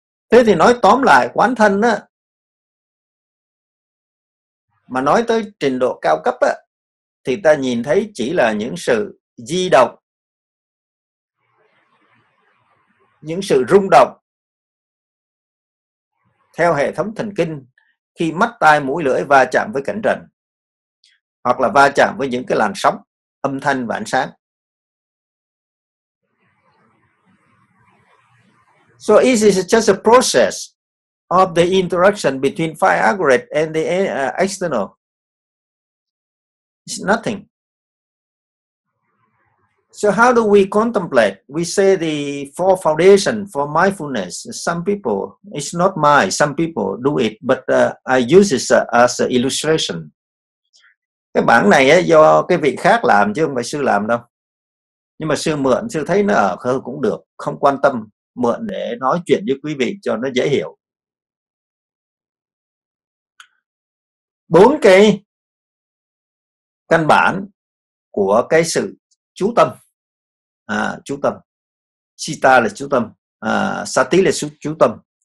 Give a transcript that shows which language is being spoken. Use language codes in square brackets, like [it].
[vi] Thế thì nói tóm lại, quán thân á, mà nói tới trình độ cao cấp á, thì ta nhìn thấy chỉ là những sự di động, những sự rung động theo hệ thống thần kinh khi mắt, tai, mũi, lưỡi va chạm với cảnh trần, hoặc là va chạm với những cái làn sóng âm thanh và ánh sáng. [en] So it is just a process of the interaction between five aggregate and the external. It's nothing. So how do we contemplate? We say the four foundation for mindfulness. Some people, it's not my, some people do it, but I use it as an illustration. [vi] Cái bảng này ấy, do cái vị khác làm chứ không phải sư làm đâu. Nhưng mà sư mượn, sư thấy nó ở cũng được, không quan tâm. Mượn để nói chuyện với quý vị cho nó dễ hiểu. Bốn cái căn bản của cái sự chú tâm, chú tâm, citta là chú tâm, sati là chú tâm.